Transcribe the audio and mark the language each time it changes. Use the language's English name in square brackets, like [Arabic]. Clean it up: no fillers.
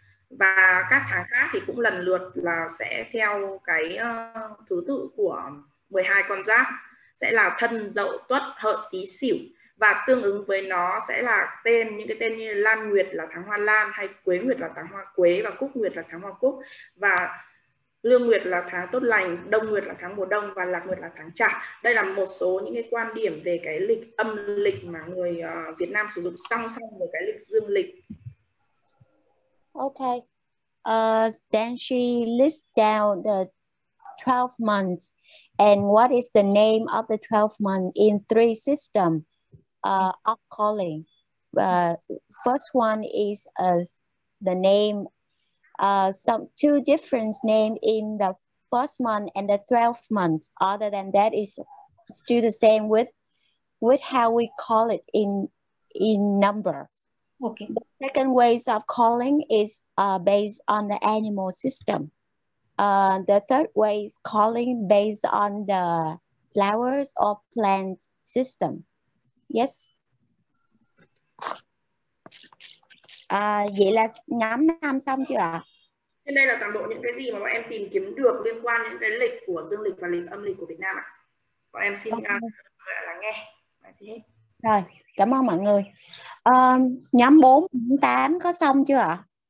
[Vietnamese] Và các tháng khác thì cũng lần lượt là sẽ theo cái thứ tự của 12 con giáp, sẽ là Thân, Dậu, Tuất, Hợi, Tý, Sửu, và tương ứng với nó sẽ là tên, những cái tên như Lan Nguyệt là tháng hoa lan, hay Quế Nguyệt là tháng hoa quế, và Cúc Nguyệt là tháng hoa cúc, và Lương Nguyệt là tháng tốt lành, Đông Nguyệt là tháng mùa đông, và Lạc Nguyệt là tháng chạp. Đây là một số những cái quan điểm về cái lịch âm lịch mà người Việt Nam sử dụng song song với cái lịch dương lịch. [English] Okay. Then she lists down the 12 months and what is the name of the 12 month in three system of calling. First one is the name, some two different names in the first month and the 12th month. Other than that, is still the same with how we call it in number. Okay. The second ways of calling is based on the animal system. The third way is calling based on the flowers or plant system. Yes. [Vietnamese] Vậy là nhóm năm xong chưa ạ? Trên đây là toàn bộ những cái gì mà bọn em tìm kiếm được liên quan những cái lịch của dương lịch và lịch âm lịch của Việt Nam ạ. Bọn em xin lắng nghe. Rồi, cảm ơn mọi người. Nhóm 4, 8 có xong chưa ạ?